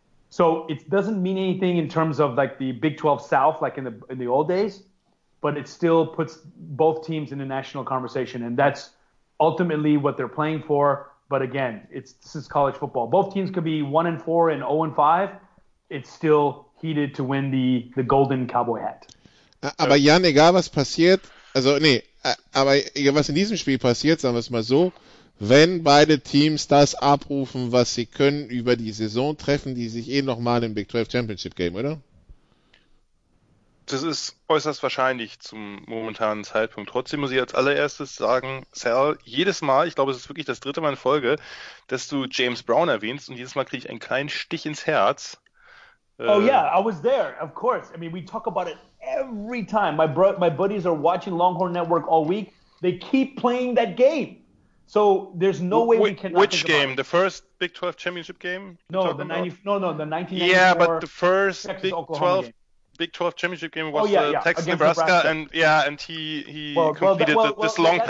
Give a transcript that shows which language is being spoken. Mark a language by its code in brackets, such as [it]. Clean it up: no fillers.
[en] So it doesn't mean anything in terms of like the Big 12 South, like in the old days, but it still puts both teams in the national conversation. And that's ultimately what they're playing for. But again, this is college football. Both teams could be 1-4 and 0-5. It's still heated to win the golden cowboy hat. [de] Aber Jan, egal was passiert, also nee, aber egal was in diesem Spiel passiert, sagen wir es mal so, wenn beide Teams das abrufen, was sie können über die Saison, treffen die sich eh nochmal im Big 12 Championship Game, oder? Das ist äußerst wahrscheinlich zum momentanen Zeitpunkt. Trotzdem muss ich als allererstes sagen, Sal, jedes Mal, ich glaube, es ist wirklich das dritte Mal in Folge, dass du James Brown erwähnst, und jedes Mal kriege ich einen kleinen Stich ins Herz. [en] Oh yeah, I was there, of course. I mean, we talk about it every time. My buddies are watching Longhorn Network all week. They keep playing that game. So there's no way we cannot. Which game? The first Big 12 championship game? No, the 1994. Yeah, but the first Big 12 championship game was Texas Nebraska, and yeah, and he completed this long